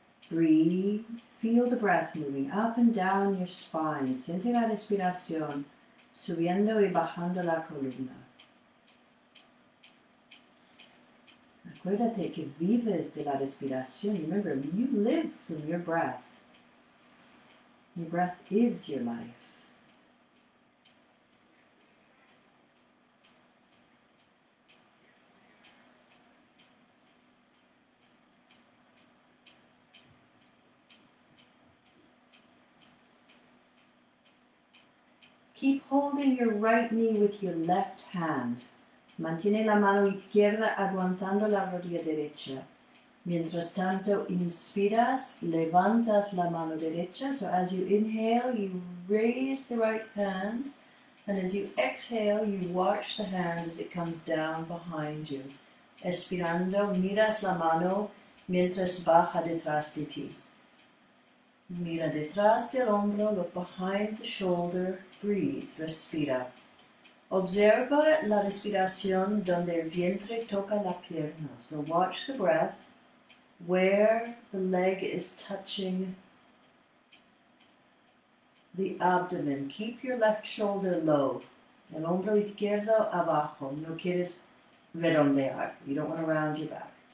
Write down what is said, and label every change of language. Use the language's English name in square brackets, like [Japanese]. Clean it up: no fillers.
[English] Breathe, feel the breath moving up and down your spine. [Spanish] Siente la respiración subiendo y bajando la columna. Acuérdate que vives de la respiración. [English] Remember, you live from your breath. Your breath is your life. Keep holding your right knee with your left hand. [Spanish] Mantiene la mano izquierda aguantando la rodilla derecha. Mientras tanto, inspiras, levantas la mano derecha. [English] So as you inhale, you raise the right hand. And as you exhale, you watch the hand as it comes down behind you. [Spanish] Expirando, miras la mano mientras baja detrás de ti. Mira detrás del hombro, [English] look behind the shoulder. Breathe, [Spanish] respira. Observa la respiración donde el vientre toca la pierna. [English] So watch the breath where the leg is touching the abdomen. Keep your left shoulder low. [Spanish] El hombro izquierdo abajo. No quieres redondear. [English] You don't want to round your back.